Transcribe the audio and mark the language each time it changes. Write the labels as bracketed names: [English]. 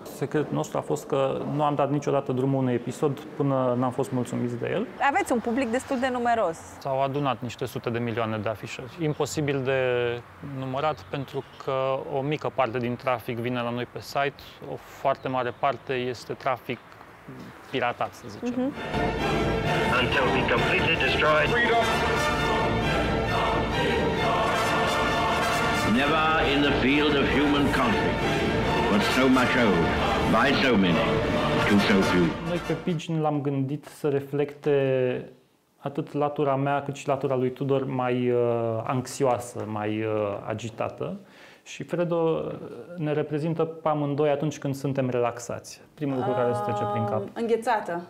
[Romanian] Secretul nostru a fost că nu am dat niciodată drumul unui episod până n-am fost mulțumit de el. Aveți un public destul de numeros. S-au adunat niște sute de milioane de afișări. Imposibil de numărat pentru că o mică parte din trafic vine la noi pe site, o foarte mare parte este trafic piratat, să zicem. [English] Until we completely destroy freedom. Never in the field of human conflict was so much owed by so many to so few. [Romanian] Noi pe Pigeon l-am gândit să reflecte atât latura mea cât și latura lui Tudor mai anxioasă, mai agitată. Și Fredo ne reprezintă pe amândoi atunci când suntem relaxați. Primul lucru care se trece prin cap. Înghețată.